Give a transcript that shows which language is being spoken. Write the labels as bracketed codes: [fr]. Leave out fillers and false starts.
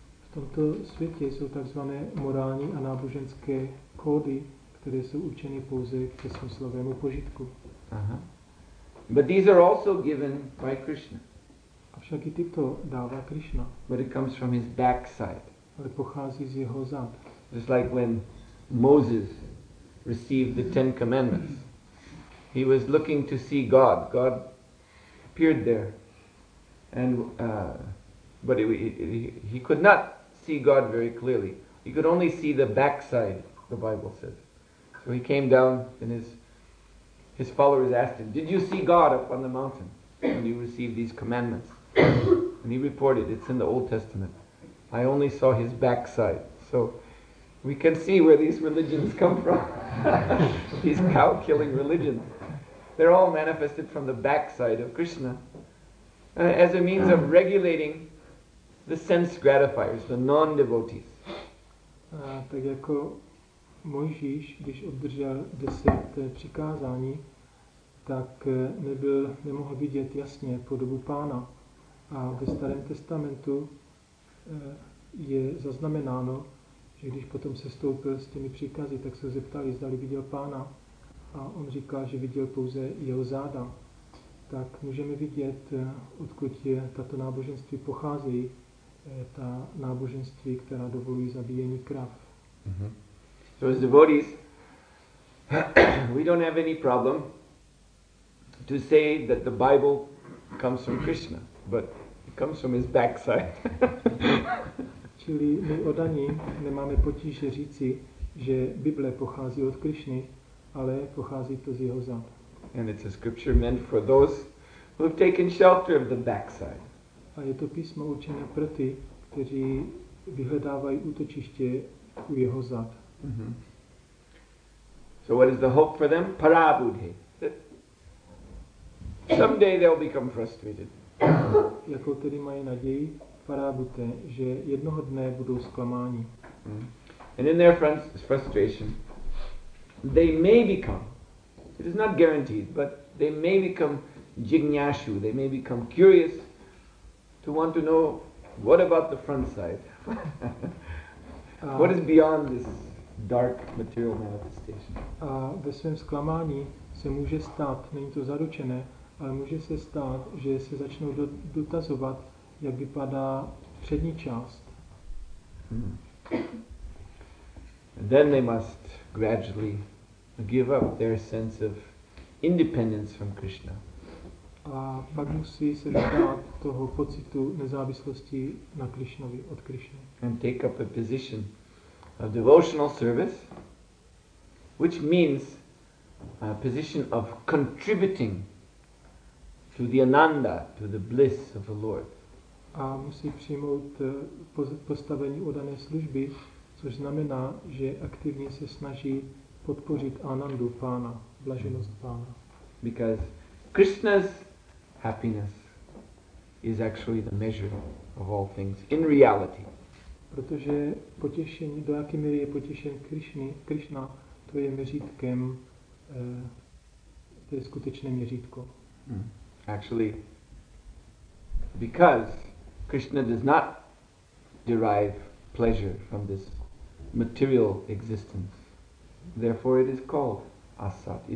[cs] V tomto světě jsou takzvané morální a náboženské kódy, které jsou určeny pouze ke smyslovému požitku. [en] But these are also given by Krishna. [cs] Avšak i tyto dává Krishna. [en] But it comes from his backside. [cs] Ale pochází z jeho zad. [en] Just like when Moses received the Ten Commandments. He was looking to see God. God appeared there. And but he could not see God very clearly. He could only see the backside, the Bible says. So he came down and his followers asked him, did you see God up on the mountain when you received these commandments? And he reported, it's in the Old Testament. I only saw his backside. So we can see where these religions come from. These cow-killing religions. They're all manifested from the backside of Krishna as a means of regulating the sense gratifiers, the non-devotees. [cs] Tak jako Mojžíš, když obdržel 10 přikázání, tak nemohl vidět jasně podobu Pána. A ve Starém testamentu je zaznamenáno, že když potom se stoupil s těmi příkazy, tak se zeptali, zdali viděl Pána, a on říká, že viděl pouze jeho záda. Tak můžeme vidět, odkud je tato náboženství pochází, ta náboženství, která dovolují zabíjení krav. Mm-hmm. [en] So as devotees, we don't have any problem to say that the Bible comes from Krishna, but it comes from his backside. [cs] Čili my odaní nemáme potíže říci, že Bible pochází od Krišny, ale pochází to z jeho zad. [en] And it's a scripture meant for those who have taken shelter of the backside. [cs] A je to písmo určené pro ty, kteří vyhledávají útočiště u jeho zad. Mm-hmm. [en] So what is the hope for them? Parabuddhi. Someday they'll become frustrated. [cs] Jakou tedy mají naději? Parabute, že jednoho dne budou zklamáni. [en] And in their frustration, they may become, it is not guaranteed, but they may become jignyashu, they may become curious to want to know what about the front side? What is beyond this dark material manifestation? [cs] A ve svém zklamání se může stát, není to zaručené, ale může se stát, že se začnou dotazovat, jak vypadá přední část. [en] And then they must gradually give up their sense of independence from Krishna. [cs] A pak musí se vzdát toho pocitu nezávislosti na Krišnovi, od Krišny. [en] And take up a position of devotional service, which means a position of contributing to the Ananda, to the bliss of the Lord. [cs] a musí přijmout postavení oddané služby, což znamená, že aktivně se snaží podpořit Anandu Pána, blaženost Pána. [en] Because Krishna's happiness is actually the measure of all things in reality. [cs] Protože potěšení, do jaké míry je potěšen Krishna, to je měřítkem, to je skutečné měřítko. [en] Actually, because Krishna does not derive pleasure from this material existence, therefore it is called asat.